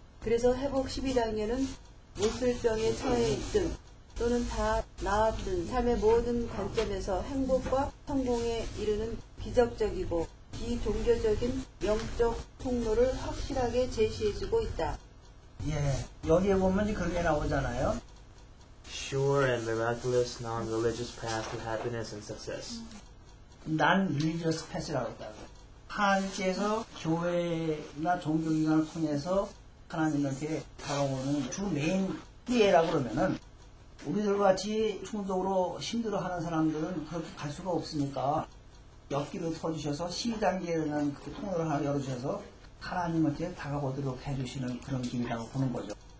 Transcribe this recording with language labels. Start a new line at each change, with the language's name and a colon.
Korean: 그래서 회복 12단계는 무술병에 처해 있든 또는 다 나왔든 삶의 모든 관점에서 행복과 성공에 이르는 기적적이고 비종교적인 영적 통로를 확실하게 제시해주고 있다. 예, 여기에 보면 그렇게 나오잖아요.
English: Sure and miraculous non-religious path to happiness and success. Non-religious path
Korean: 라고 했다고. 한지에서 교회나 종교기관을 통해서 하나님한테 다가오는 주 메인 띠에라고 그러면은 우리들과 같이 중독으로 힘들어하는 사람들은 그렇게 갈 수가 없으니까 옆길을 터주셔서 12단계에 대한 그 통로를 하나 열어주셔서 하나님한테 다가오도록 해주시는 그런 길이라고 보는 거죠.